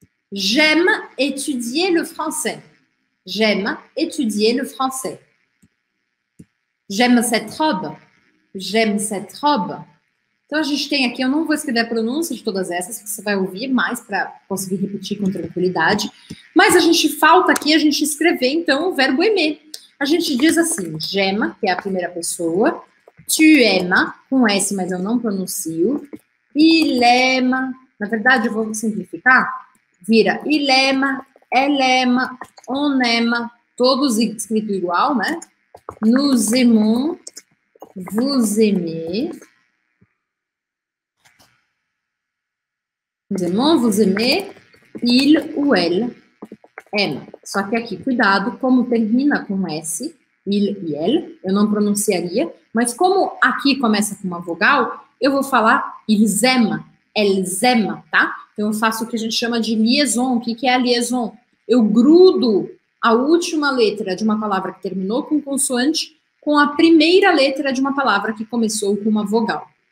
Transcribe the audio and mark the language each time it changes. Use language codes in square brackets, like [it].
[fr] J'aime étudier le français. J'aime étudier le français. J'aime cette robe. J'aime cette robe. [pt] Então, a gente tem aqui, eu não vou escrever a pronúncia de todas essas, que você vai ouvir mais para conseguir repetir com tranquilidade. Mas a gente falta aqui a gente escrever, então, o verbo aimer. A gente diz assim, [fr] j'aime, [pt] que é a primeira pessoa. [fr] Tu aimes, [pt] com S, mas eu não pronuncio. [fr] Il aime, [pt] na verdade, eu vou simplificar. Vira [fr] il aime, elle aime, on aime, [pt] todos escritos igual, né? [fr] Nous aimons, vous aimez. Nous aimons, vous aimez, il ou elle aime. [pt] Só que aqui, cuidado, como termina com S, il e elle, eu não pronunciaria, mas como aqui começa com uma vogal, eu vou falar [fr] ils aiment, elles aiment, [pt] tá? Então eu faço o que a gente chama de liaison. O que é a liaison? Eu grudo a última letra de uma palavra que terminou com consoante com a primeira letra de uma palavra que começou com uma vogal.